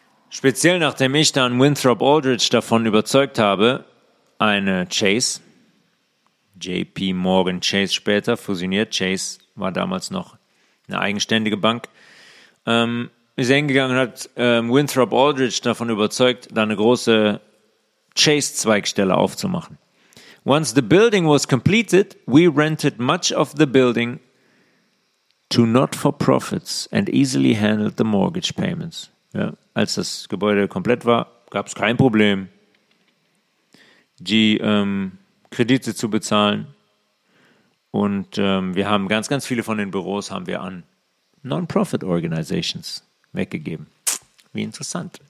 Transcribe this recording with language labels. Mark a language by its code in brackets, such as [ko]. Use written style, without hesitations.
[de] Speziell nachdem ich dann Winthrop Aldrich davon überzeugt habe, eine Chase, JP Morgan Chase später fusioniert, Chase war damals noch eine eigenständige Bank, ist hingegangen und hat Winthrop Aldrich davon überzeugt, da eine große Chase-Zweigstelle aufzumachen. [en] Once the building was completed, we rented much of the building to not-for-profits and easily handled the mortgage payments. [de] Ja, als das Gebäude komplett war, gab es kein Problem, die Kredite zu bezahlen. Und wir haben ganz, ganz viele von den Büros haben wir an Non-Profit-Organizations weggegeben. Wie interessant.